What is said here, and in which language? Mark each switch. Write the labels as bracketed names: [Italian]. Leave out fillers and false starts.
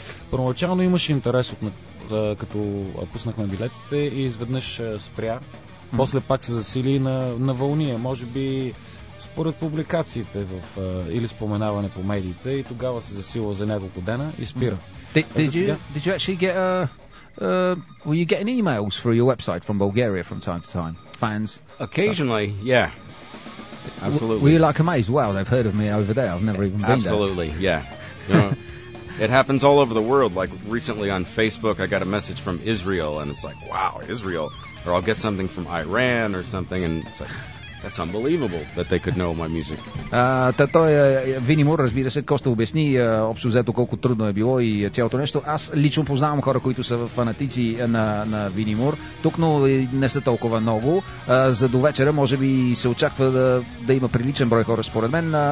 [Bulgarian] Първоначално имаше интерес, като пуснахме билетите и изведнъж спря. Mm-hmm. После пак се засили на вълния. Може би според публикациите или споменаване по медиите, и тогава се засилва за няколко дена и спира. [English] Did you actually get were you getting emails through your website from Bulgaria from time to time? Fans? Occasionally, so. Yeah. Absolutely. Were you like amazed? Wow, they've heard of me over there. I've never even been absolutely, there. Absolutely, yeah. You know, it happens all over the world. Like recently on Facebook I got a message from Israel and it's like, wow, Israel. Or I'll get something from Iran or something and it's like, that's unbelievable that they could know my music. [Bulgarian] Вини Мур, разбира се, Коста обясни общо взето колко трудно е било и цялото нещо. Аз лично познавам хора, които са фанатици на Вини Мур тук, но не са толкова много. За до вечера може би се очаква да има приличен брой хора според мен.